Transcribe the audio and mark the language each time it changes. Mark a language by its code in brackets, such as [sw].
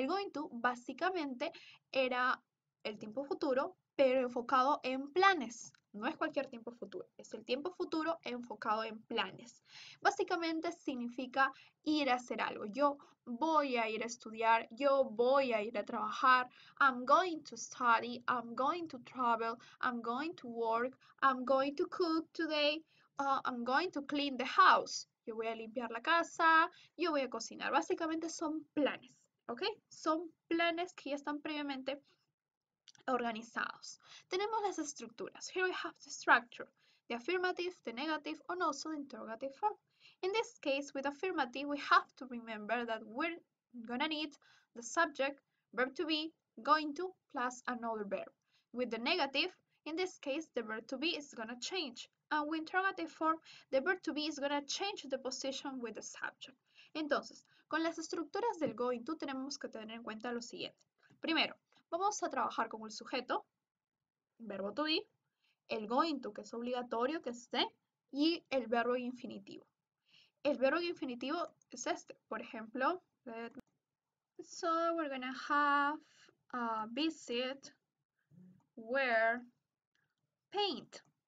[es] El going to básicamente era el tiempo futuro, pero enfocado en planes. No es cualquier tiempo futuro, es el tiempo futuro enfocado en planes. Básicamente significa ir a hacer algo. Yo voy a ir a estudiar, yo voy a ir a trabajar. [en] I'm going to study, I'm going to travel, I'm going to work, I'm going to cook today. I'm going to clean the house. [es] Yo voy a limpiar la casa. Yo voy a cocinar. Básicamente son planes, ¿ok? Son planes que ya están previamente organizados. Tenemos las estructuras. [en] Here we have the structure. The affirmative, the negative, and also the interrogative form. In this case, with affirmative, we have to remember that we're gonna need the subject, verb to be, going to, plus another verb. With the negative, in this case, the verb to be is gonna change. And with interrogative form, the verb to be is going to change the position with the subject. [es] Entonces, con las estructuras del going to tenemos que tener en cuenta lo siguiente. Primero, vamos a trabajar con el sujeto, verbo to be, el going to que es obligatorio que esté, y el verbo infinitivo. El verbo infinitivo es este. Por ejemplo, [en] so we're going to have a visit where paint.